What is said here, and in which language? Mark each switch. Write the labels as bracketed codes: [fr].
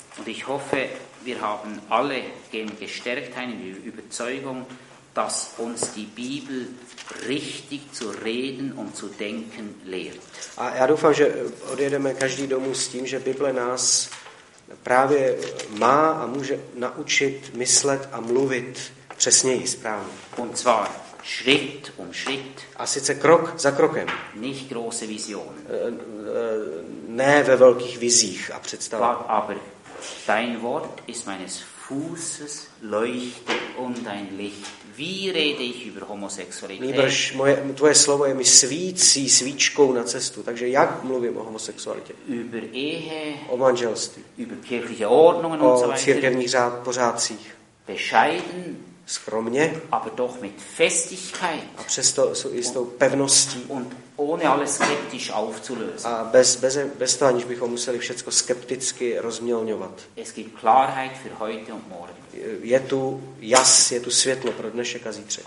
[de] Und ich hoffe, wir haben alle gehen gestärkt ein in die Überzeugung, dass uns die Bibel richtig zu reden und zu denken lehrt. [cs] A já doufám, že odjedeme každý domů s tím, že Bible nás právě má a může naučit myslet a mluvit přesněji, správně. [de] Und zwar Schritt um Schritt. [cs] A sice krok za krokem. [de] Nicht große Vision. [cs] Ne ve velkých vizích a představách. [de] Aber dein Wort ist meines Fußes Leuchte und ein Licht. Wie rede ich über Homosexualität? [cs] Nýbrž tvoje slovo je mi svící svíčkou na cestu. Takže jak mluvím o homosexualitě? [de] Über Ehe. [cs] O manželství. [de] Über kirchliche Ordnungen und so weiter. [cs] O církevních pořádcích. [de] Bescheiden. [cs] Skromně, [de] aber doch mit Festigkeit. [cs] A přesto so jistou pevností. [de] Und ohne alles skeptisch aufzulösen. [cs] A bez toho, aniž bychom museli všecko skepticky rozmělňovat. [de] Es gibt Klarheit für heute und morgen. [cs] Je tu jas, je tu světlo pro dnešek a zítřek.